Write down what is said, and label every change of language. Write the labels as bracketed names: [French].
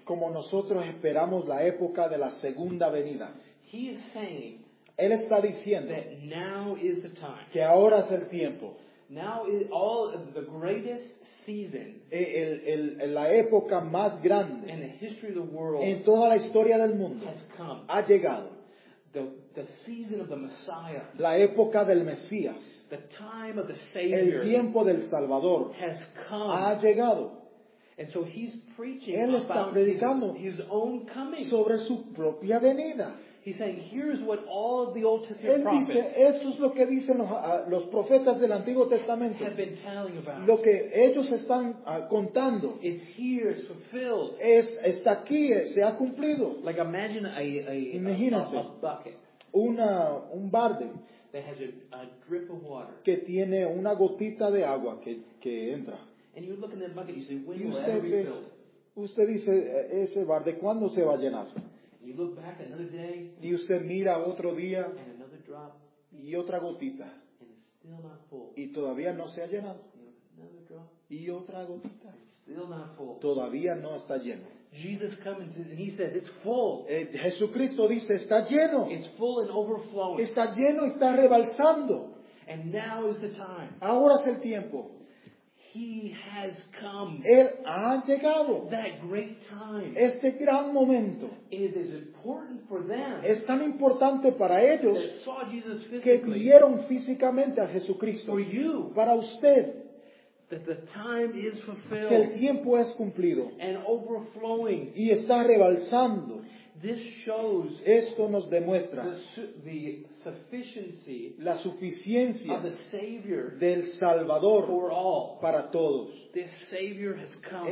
[Spanish] Como nosotros esperamos la época de la segunda venida. [English] He is saying, [Spanish] él está diciendo, [English] that now is the time. [Spanish] Que ahora es el tiempo. [English] Now is all the greatest season, [Spanish] la época más grande [English] in the history of the world, [Spanish] en toda la historia del mundo, [English] has come, [Spanish] ha llegado, [English] the season of the Messiah, [Spanish] la época del Mesías, [English] the time of the Savior, [Spanish] el tiempo del Salvador, [English] has come, [Spanish] ha llegado. [English] And so he's preaching, [Spanish] él está [English] about [Spanish] predicando [English] his own coming, [Spanish] sobre su propia venida. [English] He's saying, here's what all of the Old Testament [Spanish] prophets, él dice, esto es lo que dicen los profetas del Antiguo Testamento, [English] have been telling about. [Spanish] Lo que ellos están contando. [English] It's here, it's fulfilled. [Spanish] Está aquí, se ha cumplido. [English] Like imagine [Spanish] imagínense, [English] a bucket, [Spanish] un barde, [English] that has a drip of water, [Spanish] que tiene una gotita de agua que entra. [English] And you look in that bucket, you say, when will that refill? [Spanish] Usted dice, ese barde, ¿cuándo se va a llenar? [English] You look back another day, [Spanish] y usted mira otro día, [English] and another drop, [Spanish] y otra gotita, [English] and it's still not full. [Spanish] Y todavía no se ha llenado. [English] Another drop, [Spanish] y otra gotita, [English] and it's still not full. [Spanish] Todavía no está lleno. [English] Jesus comes and he says, it's full. [Spanish] Jesucristo dice, está lleno. [English] It's full and overflowing. [Spanish] Está lleno, está rebalsando. [English] And now is the time. [Spanish] Ahora es el tiempo. [English] He has come. [Spanish] Él ha llegado. [English] That great time. [Spanish] Este gran momento. [English] It is important for them. [Spanish] Es tan importante para ellos. [English] That saw Jesus physically. [Spanish] Que vieron físicamente a Jesucristo. [English] For you. [Spanish] Para usted. [English] That the time is fulfilled. [Spanish] Que el tiempo es cumplido. [English] And overflowing. [Spanish] Y está rebalsando. [English] This shows. [Spanish] Esto nos demuestra. [English] The sufficiency, [Spanish] la suficiencia [English] of the Savior, [Spanish] del Salvador, [English] for all, [Spanish] para todos. [English] This Savior has come.